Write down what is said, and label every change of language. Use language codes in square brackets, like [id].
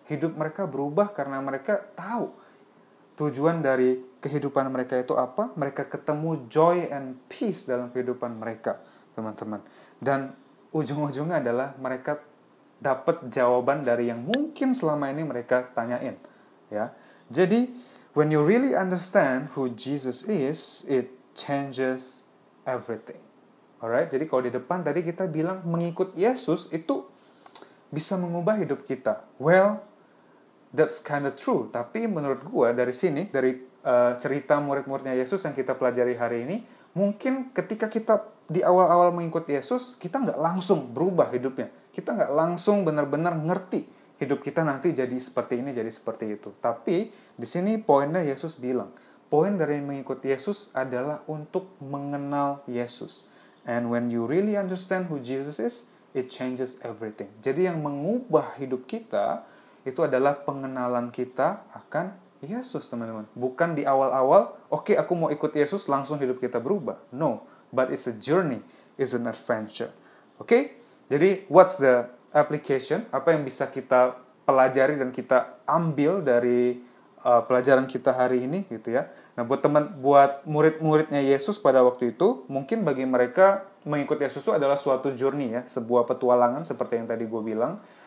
[id] Hidup mereka berubah karena mereka tahu tujuan dari kehidupan mereka itu apa. Mereka ketemu [en] joy and peace [id] dalam kehidupan mereka, teman-teman. Dan ujung-ujungnya adalah mereka dapat jawaban dari yang mungkin selama ini mereka tanyain, ya. [en] Jadi, when you really understand who Jesus is, it changes everything. [id] Alright? Jadi kalau di depan tadi kita bilang mengikut Yesus itu bisa mengubah hidup kita. [en] Well, that's kind of true. [id] Tapi menurut gua dari sini, dari cerita murid-muridnya Yesus yang kita pelajari hari ini, mungkin ketika kita di awal-awal mengikut Yesus, kita nggak langsung berubah hidupnya. Kita nggak langsung benar-benar ngerti hidup kita nanti jadi seperti ini, jadi seperti itu. Tapi di sini poinnya Yesus bilang, poin dari mengikut Yesus adalah untuk mengenal Yesus. [en] And when you really understand who Jesus is, it changes everything. [id] Jadi yang mengubah hidup kita itu adalah pengenalan kita akan Yesus, teman-teman. Bukan di awal-awal, okay, aku mau ikut Yesus, langsung hidup kita berubah. [en] No, but it's a journey, it's an adventure. Okay? Jadi, what's the application? [id] Apa yang bisa kita pelajari dan kita ambil dari pelajaran kita hari ini, gitu ya? Nah, buat murid-muridnya Yesus pada waktu itu, mungkin bagi mereka mengikut Yesus itu adalah suatu journey ya, sebuah petualangan seperti yang tadi gue bilang.